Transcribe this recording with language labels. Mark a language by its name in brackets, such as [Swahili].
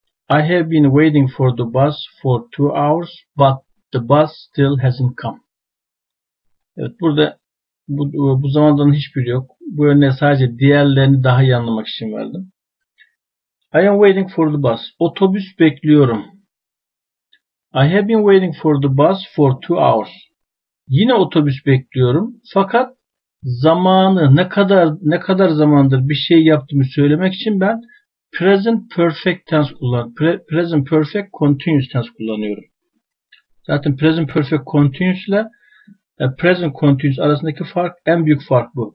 [English] I have been waiting for the bus for 2 hours, but the bus still hasn't come. [Turkish] Evet, burada bu zamandan hiçbiri yok. Bu örneği sadece diğerlerini daha iyi anlamak için verdim. [English] I am waiting for the bus. [Turkish] Otobüs bekliyorum. [English] I have been waiting for the bus for 2 hours. [Turkish] Yine otobüs bekliyorum. Fakat zamanı ne kadar zamandır bir şey yaptığımı söylemek için ben present perfect tense kullan. Present perfect continuous tense kullanıyorum. Zaten present perfect continuous ile present continuous arasındaki fark, en büyük fark bu.